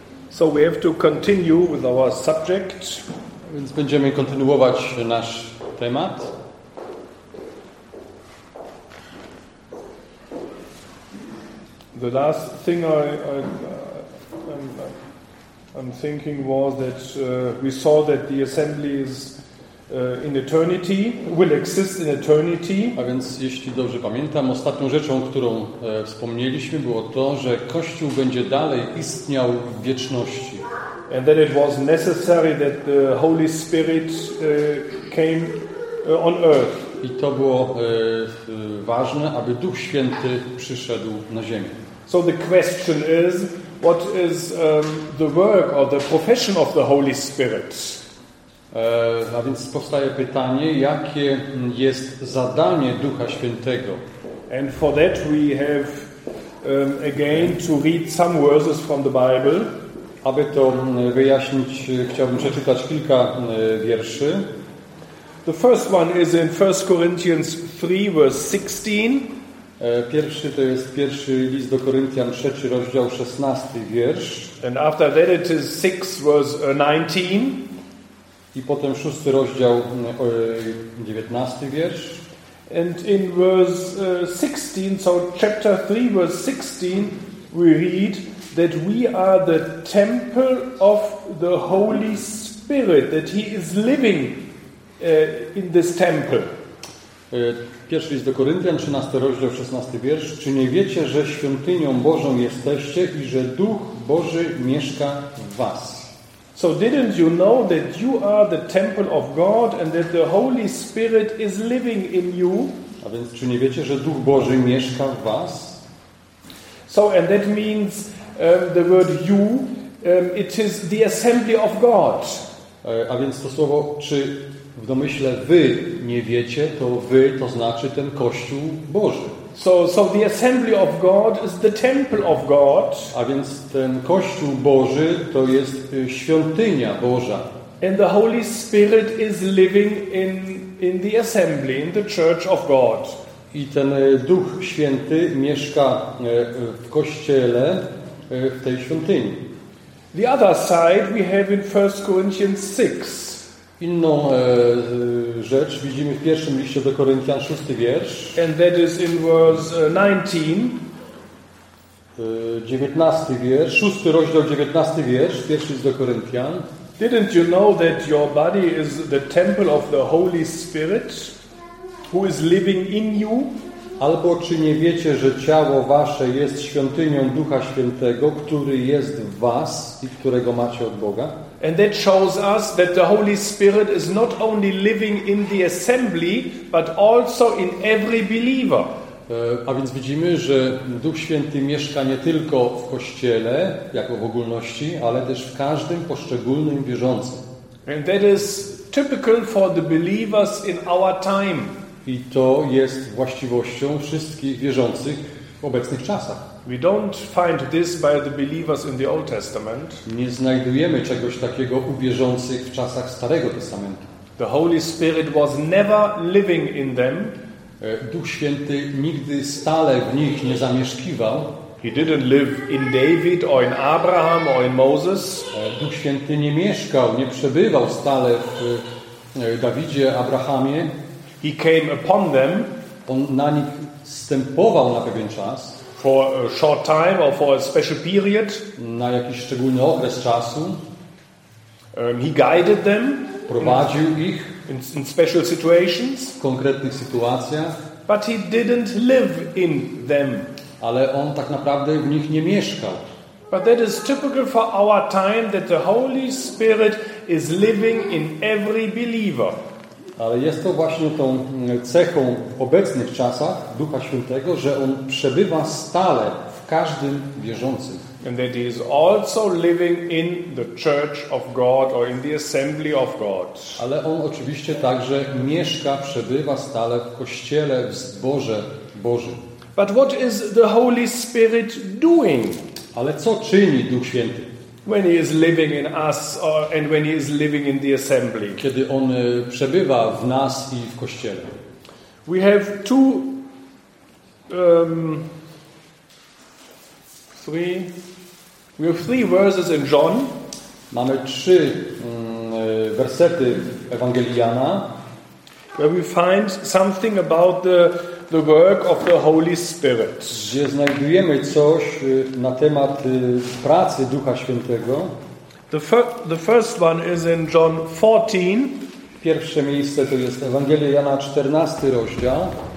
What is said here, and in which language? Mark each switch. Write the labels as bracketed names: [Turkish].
[English] So we have to continue with our subject. [Polish] Więc będziemy kontynuować nasz temat. [English] The last thing I'm thinking was that we saw that the assembly is in eternity, will exist in eternity. [Polish] A więc jeśli dobrze pamiętam, ostatnią rzeczą, którą wspomnieliśmy, było to, że Kościół będzie dalej istniał w wieczności. [English] And that it was necessary that the Holy Spirit came on earth. [Polish] I to było ważne, aby Duch Święty przyszedł na ziemię. [English] So the question is, what is the work or the profession of the Holy Spirit? [Polish] A więc powstaje pytanie, jakie jest zadanie Ducha Świętego? [English] And for that we have again to read some verses from the Bible. [Polish] Aby to wyjaśnić, chciałbym przeczytać kilka wierszy. [English] The first one is in 1 Corinthians 3, verse 16. [Polish] Pierwszy to jest pierwszy list do Koryntian, 3 rozdział, 16 wiersz. [English] And after that it is 6, verse 19. [Polish] I potem 6 rozdział, 19 wiersz. [English] And in verse 16, so chapter 3, verse 16, we read that we are the temple of the Holy Spirit, that He is living in this temple. [Polish] Pierwszy list do Koryntian, 13 rozdział, 16 wiersz. Czy nie wiecie, że świątynią Bożą jesteście i że Duch Boży mieszka w was? [English] So didn't you know that you are the temple of God and that the Holy Spirit is living in you? [Polish] A więc czy nie wiecie, że Duch Boży mieszka w was? [English] So and that means the word you, it is the assembly of God. [Polish] A więc to słowo, czy w domyśle wy nie wiecie, to wy to znaczy ten Kościół Boży. [English] So the assembly of God is the temple of God. [Polish] A więc ten Kościół Boży to jest świątynia Boża. [English] And the Holy Spirit is living in the assembly, in the church of God. [Polish] I ten Duch Święty mieszka w Kościele, w tej świątyni. [English] The other side we have in 1 Corinthians 6. [Polish] Inną rzecz widzimy w pierwszym liście do Koryntian, 6 wiersz. [English] And that is in verse 19. [Polish] 19 wiersz, 6 rozdział, 19 wiersz, pierwszy list do Koryntian. [English] Didn't you know that your body is the temple of the Holy Spirit who is living in you? [Polish] Albo czy nie wiecie, że ciało wasze jest świątynią Ducha Świętego, który jest w was i którego macie od Boga? [English] And that shows us that the Holy Spirit is not only living in the assembly, but also in every believer. [Polish] A więc widzimy, że Duch Święty mieszka nie tylko w Kościele, jako w ogólności, ale też w każdym poszczególnym wierzącym. [English] And that is typical for the believers in our time. [Polish] I to jest właściwością wszystkich wierzących w obecnych czasach. [English] We don't find this by the believers in the Old Testament. [Polish] Nie znajdujemy czegoś takiego u wierzących w czasach Starego Testamentu. [English] The Holy Spirit was never living in them. [Polish] Duch Święty nigdy stale w nich nie zamieszkiwał. [English] He didn't live in David or in Abraham or in Moses. [Polish] Duch Święty nie mieszkał, nie przebywał stale w Dawidzie, Abrahamie. [English] He came upon them. [Polish] On na nich zstępował na pewien czas. [English] For a short time or for a special period. [Polish] Na jakiś szczególny okres czasu. [English] He guided them. [Polish] Prowadził ich. [English] In special situations. [Polish] W konkretnych sytuacjach. [English] But he didn't live in them. [Polish] Ale on tak naprawdę w nich nie mieszkał. [English] But that is typical for our time that the Holy Spirit is living in every believer. [Polish] Ale jest to właśnie tą cechą w obecnych czasach Ducha Świętego, że On przebywa stale w każdym wierzącym. [English] And that He is also living in the church of God or in the assembly of God. [Polish] Ale On oczywiście także mieszka, przebywa stale w Kościele, w zborze Bożym. [English] But what is the Holy Spirit doing? [Polish] Ale co czyni Duch Święty? [English] When he is living in us and when he is living in the assembly. [Polish] Kiedy on przebywa w nas i w Kościele. [English] We have two three We have three verses in John. [Polish] Mamy trzy wersety Ewangelii Jana, [English] where we find something about the work of the Holy Spirit. [Polish] Gdzie znajdujemy coś na temat pracy Ducha Świętego. [English] The first one is in John 14. [Polish] Pierwsze miejsce to jest Ewangelia Jana 14 rozdział.